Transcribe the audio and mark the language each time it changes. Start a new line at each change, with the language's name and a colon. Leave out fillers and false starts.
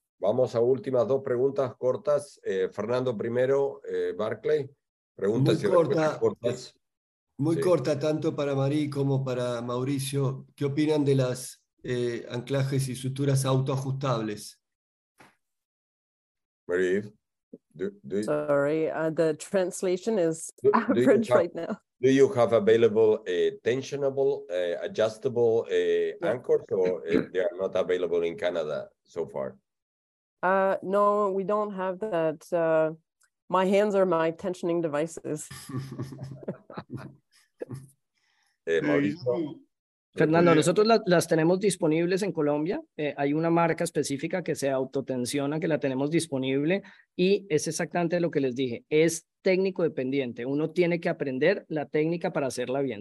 Spanish: Vamos a últimas dos preguntas cortas. Fernando primero, Barclay. Preguntas muy cortas. Muy sí. Corta, tanto para Marí como para Mauricio. ¿Qué opinan de las anclajes y suturas autoajustables? Marí.
English: Sorry, the translation is French right now. Do you have available tensionable, adjustable anchors, or they are not available in Canada so far? No, we don't have that. My hands are my tensioning devices.
Spanish: Mauricio. Fernando, nosotros las tenemos disponibles en Colombia. Hay una marca específica que se autotensiona, que la tenemos disponible, y es exactamente lo que les dije. Es técnico dependiente. Uno tiene que aprender la técnica para hacerla bien.